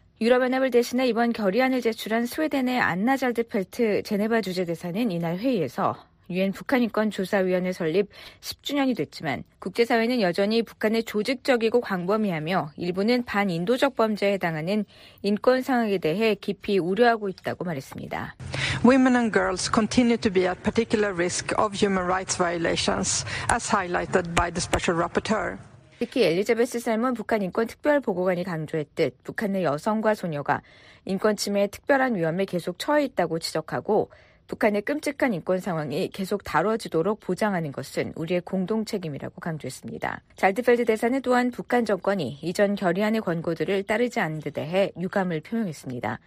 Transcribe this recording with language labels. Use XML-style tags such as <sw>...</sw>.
<ko>유럽연합을 대신해 이번 결의안을 제출한 스웨덴의 안나 잘드펠트 제네바 주재대사는 이날 회의에서 유엔 북한 인권 조사위원회 설립 10주년이 됐지만 국제사회는 여전히 북한의 조직적이고 광범위하며 일부는 반인도적 범죄에 해당하는 인권 상황에 대해 깊이 우려하고 있다고 말했습니다.</ko> <en>Women and girls continue to be at particular risk of human rights violations as highlighted by the special rapporteur.</en> <ko>특히 엘리자베스 살몬 북한 인권 특별 보고관이 강조했듯 북한 내 여성과 소녀가 인권 침해의 특별한 위험에 계속 처해 있다고 지적하고 북한의 끔찍한 인권 상황이 계속 다뤄지도록 보장하는 것은 우리의 공동 책임이라고 강조했습니다. 잘드펠드 대사는 또한 북한 정권이 이전 결의안의 권고들을 따르지 않은 데 대해 유감을 표명했습니다.</ko>